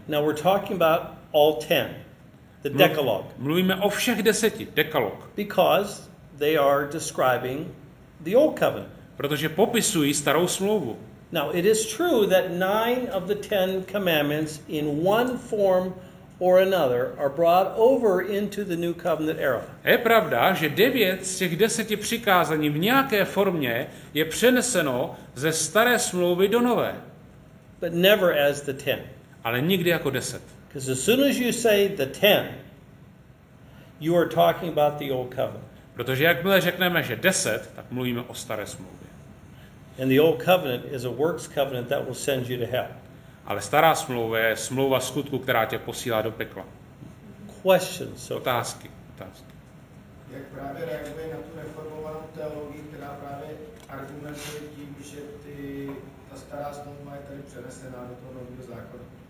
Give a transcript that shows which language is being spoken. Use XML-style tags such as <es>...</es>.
<en>Now we're talking about all ten, the Decalogue.</en> <cs>Mluvíme o všech deseti, Decalogue.</cs> <en>Because they are describing the old covenant.</en> <cs>Protože popisují starou smlouvu.</cs> <en>Now it is true that nine of the ten commandments in one form or another are brought over into the new covenant era.</en> <cs>Je pravda, že 9 z těch 10 přikázání v nějaké formě je přeneseno ze staré smlouvy do nové.</cs> <en>But never as the 10.</en> <cs>Ale nikdy jako 10.</cs> <en>Because as soon as you say the 10, you are talking about the old covenant.</en> <cs>Protože jakmile řekneme, že 10, tak mluvíme o staré smlouvě.</cs> <en>And the old covenant is a works covenant that will send you to hell.</en> <cs>Ale stará smlouva je smlouva skutku, která tě posílá do pekla.</cs> <en>Questions, so</en> <cs>otázky, otázky. Jak právě reaguje na tu reformovanou teologii, která právě argumentuje tím, že ta stará smlouva je tady přenesená do toho nového zákona?</cs>